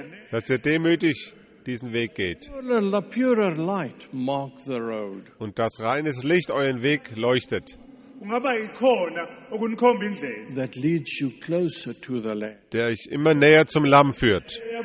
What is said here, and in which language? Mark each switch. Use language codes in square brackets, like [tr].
[de] Dass ihr demütig diesen Weg geht. Und dass reines Licht euren Weg leuchtet. [en] That leads you closer to the Lamb. [de] Der euch immer näher zum Lamm führt.